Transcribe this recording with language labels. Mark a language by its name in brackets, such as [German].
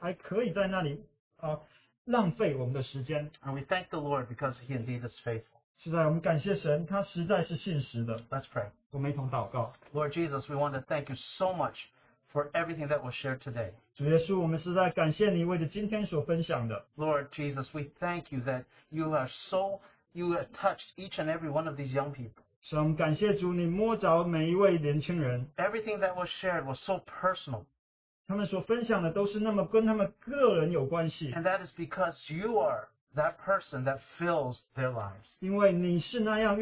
[Chinese] 但是他实在是讲到神，既然我们领受神给我们的一切的恩惠，我们是否愿意还可以在那里浪费我们的时间？ [English] And we thank the Lord because He indeed is faithful. [Chinese] 是的，我们感谢神，他实在是信实的。 [English] Let's pray. [Chinese] 我们一同祷告。 [English] Lord Jesus, we want to thank you so much for everything that was shared today. [Chinese] 主耶稣，我们实在感谢你为着今天所分享的。 [English] Lord Jesus, we thank you that you have touched each and every one of these young people. [Chinese] 神，感谢主，你摸着每一位年轻人。 [English] Everything that was shared was so personal. [Chinese] 他们所分享的都是那么跟他们个人有关系。 [English] And that is because you are that person that fills their lives.